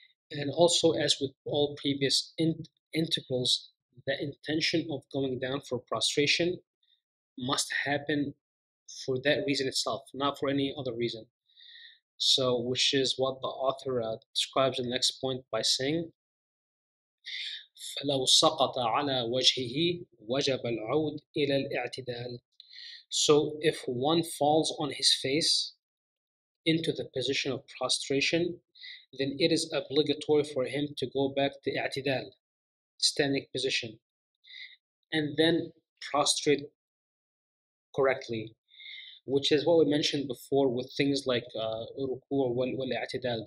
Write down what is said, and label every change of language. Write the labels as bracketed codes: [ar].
[en] And also, as with all previous integrals, the intention of going down for prostration must happen for that reason itself, not for any other reason. So, which is what the author describes in the next point by saying, [ar] فلو سقط على وجهه وجب العود إلى الاعتدال. [en] So if one falls on his face into the position of prostration, then it is obligatory for him to go back to i'tidal, standing position, and then prostrate correctly, which is what we mentioned before with things like ruku' wal i'tidal.